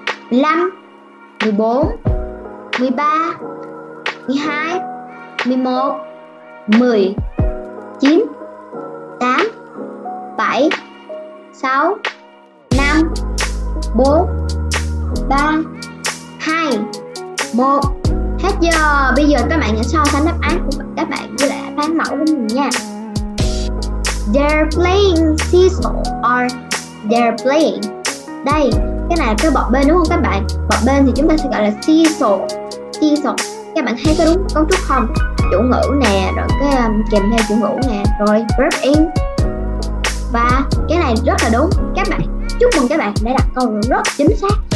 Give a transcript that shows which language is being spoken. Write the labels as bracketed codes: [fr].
[vi] 5, 14, 13, 12, 11, 10, 9, 8, 7, 6, 5, 4, 3, 2, 1. Hết giờ. Bây giờ các bạn hãy so sánh đáp án của các bạn với lại đáp án mẫu của mình nha. [en] They're playing seesaw or they're playing. [vi] Đây, cái này là cái bọt bên đúng không các bạn? Bọt bên thì chúng ta sẽ gọi là seesaw. Seesaw, các bạn thấy có đúng cấu trúc không? Chủ ngữ nè, rồi cái kèm theo chủ ngữ nè, rồi verb in. Và cái này rất là đúng các bạn. Chúc mừng các bạn đã đặt câu rất chính xác.